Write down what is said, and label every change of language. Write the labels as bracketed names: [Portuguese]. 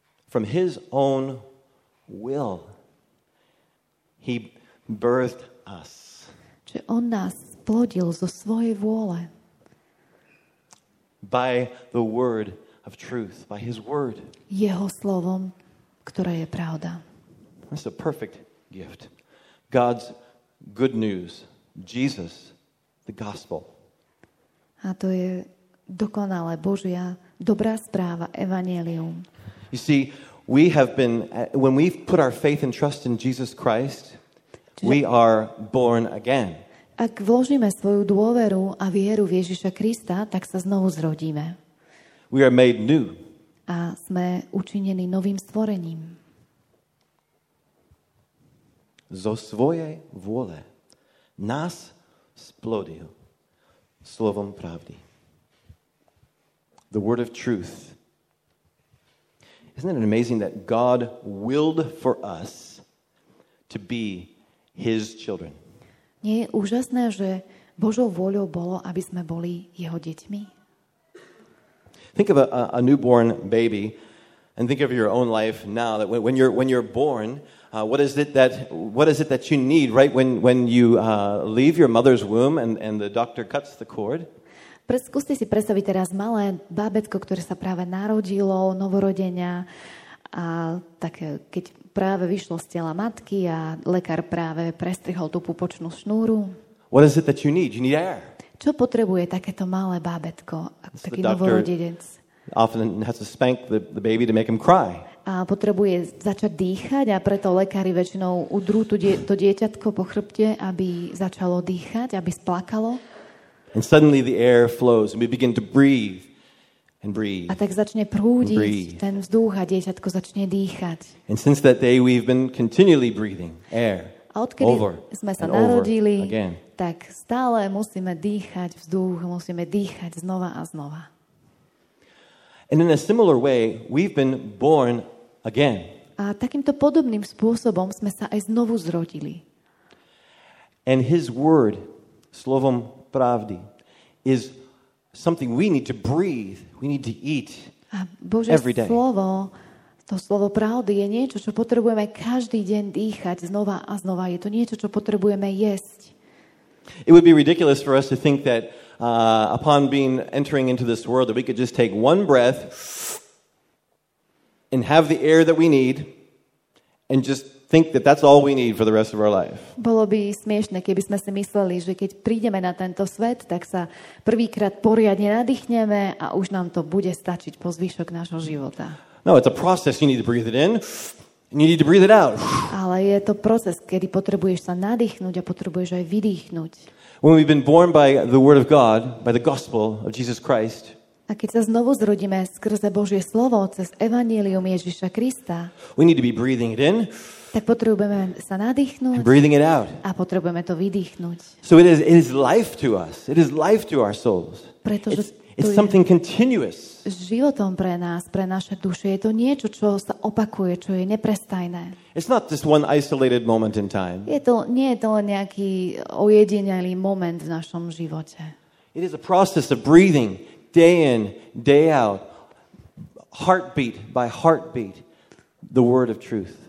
[English] From his own will, he birthed us. [Slovak] Čiže on nás splodil zo svojej vôle. [English] By the word of truth, by his word. [Slovak] Jeho slovom, ktoré je pravda. [English] That's a perfect gift. God's good news, Jesus, the gospel. [Slovak] A to je dokonalé Božia dobrá správa, evanjelium. [English] You see, we have been, when we've put our faith and trust in Jesus Christ, we are born again. [Slovak] Ak vložíme svoju dôveru a vieru v Ježiša Krista, tak sa znovu zrodíme. [English] We are made new. [Slovak] A sme učinení novým stvorením. Zo svojej vôle nás splodil slovom pravdy. [English] The word of truth. Isn't it amazing that God willed for us to be his children? [Slovak] Nie je úžasné, že Božou vôľou bolo, aby sme boli jeho deťmi? [English] Think of a newborn baby and think of your own life now that when you're born, what is it that you need right when you leave your mother's womb and the doctor cuts the cord? [Slovak] Skúste si predstaviť teraz malé bábetko, ktoré sa práve narodilo, novorodenia, a tak keď práve vyšlo z tela matky a lekár práve prestrihol tú pupočnú šnúru. [English] What is it that you need? You need air. [Slovak] Čo potrebuje takéto malé bábetko, taký novorodenec? [English] Often has to spank the baby to make him cry. [Slovak] A potrebuje začať dýchať a preto lekári väčšinou udrú to dieťatko po chrbte, aby začalo dýchať, aby splakalo. [English] And suddenly the air flows and we begin to breathe and breathe. [Slovak] A tak začne prúdiť ten vzduch a dieťatko začne dýchať. [English] And since that day we've been continually breathing air. [Slovak] A odkedy sme sa narodili, tak stále musíme dýchať vzduch, musíme dýchať znova a znova. [English] And in a similar way we've been born again. [Slovak] A takýmto podobným spôsobom sme sa aj znovu zrodili. [English] And his word, [Slovak] slovom pravdy, [English] is something we need to breathe, we need to eat every day. [Slovak] Slovo, to slovo pravdy je niečo, čo potrebujeme každý deň dýchať znova a znova. Je to niečo, čo potrebujeme jesť. [English] It would be ridiculous for us to think that upon being entering into this world that we could just take one breath and have the air that we need and just think that that's all we need for the rest of our life. [Slovak] Bolo by smiešne, keby sme si mysleli, že keď prídeme na tento svet, tak sa prvýkrát poriadne nadýchneme a už nám to bude stačiť po zvyšok nášho života. [English] No, it's a process. You need to breathe it in and you need to breathe it out. [Slovak] Ale je to proces, kedy potrebuješ sa nadýchnuť a potrebuješ aj vydýchnuť. [English] When we've been born by the word of God, by the gospel of Jesus Christ. [Slovak] A keď sa znovu zrodíme skrze Božie slovo, cez evanjelium Ježiša Krista. [English] We need to be breathing it in. [Slovak] Tak potrebujeme sa nadýchnuť. [English] And breathing it out. [Slovak] A potrebujeme to vydýchnuť. [English] So it is life to us. It is life to our souls. [Slovak] Pretože [English] it's something continuous. [Slovak] Životom pre nás, pre naše duše, je to niečo, čo sa opakuje, čo je neprestajné. [English] It's not just one isolated moment in time. [Slovak] Nie je to len nejaký ojedinelý moment v našom živote. [English] It is a process of breathing day in, day out, heartbeat by heartbeat, the word of truth.